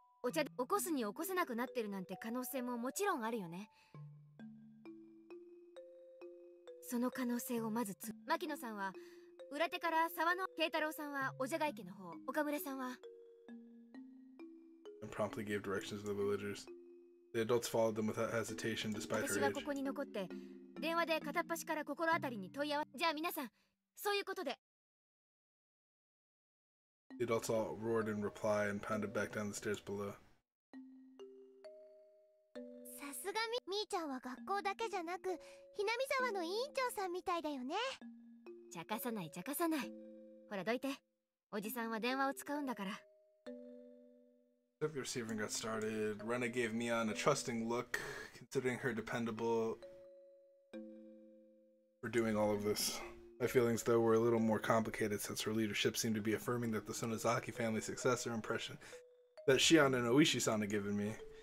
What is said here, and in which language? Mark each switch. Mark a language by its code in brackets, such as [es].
[ja] お茶で起こすに起こせなくなってるなんて可能性ももちろんあるよね。その可能性をまず牧野さんは裏手から沢野慶太郎さんはおじゃが池の方岡村さんは [en] And promptly gave directions to the villagers. The adults followed them without hesitation, despite her age. [ja] 私はここに残って電話で片っ端から心当たりに問い合わせじゃあ皆さんそういうことで [en] The adults all roared in reply and pounded back down the stairs below. [ja] さすがみーちゃんは学校だけじゃなく、ひなみざわの委員長さんみたいだよね。ちゃかさないちゃかさない。ほらどいて。おじさんは電話を使うんだから。 [en] After the receiving got started, Rena gave Mian a trusting look, considering her dependable for doing all of this. My feelings, though, were a little more complicated since her leadership seemed to be affirming that the Sonozaki family successor impression that Shion and Oishi-san had given me.